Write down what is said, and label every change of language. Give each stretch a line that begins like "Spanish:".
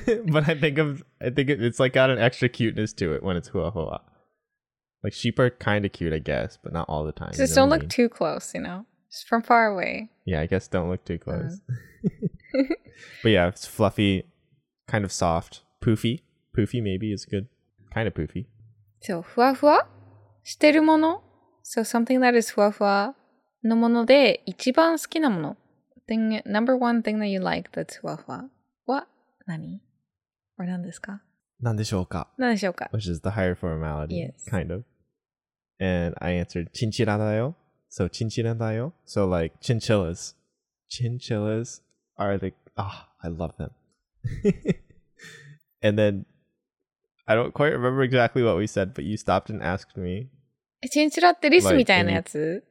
English: But I think it's like got an extra cuteness to it when it's ふわふわ。 Like sheep are kind of cute, I guess, but not all the time. Just don't look too close, you know? Just from far away. Yeah, I guess don't look too close. But yeah, it's fluffy, kind of soft, poofy. Poofy maybe is good. Kind of poofy.
Japanese: So, ふわふわしてるもの?
English: So something that is
Japanese: ふわふわのもので一番好きなもの。
English: Number one thing that you like that's
Japanese: ふわふわは何? Or 何ですか? なんでしょうか? なんでしょうか?
English: Which is the higher formality. Yes. Kind of. And I answered,
Japanese: チンチラだよ。
English: So,
Japanese: チンチラだよ。
English: So, like, chinchillas. Chinchillas are the, I love them. And then, I don't quite remember exactly what we said, but you stopped and asked me.
Japanese: チンチラってリスみたいなやつ?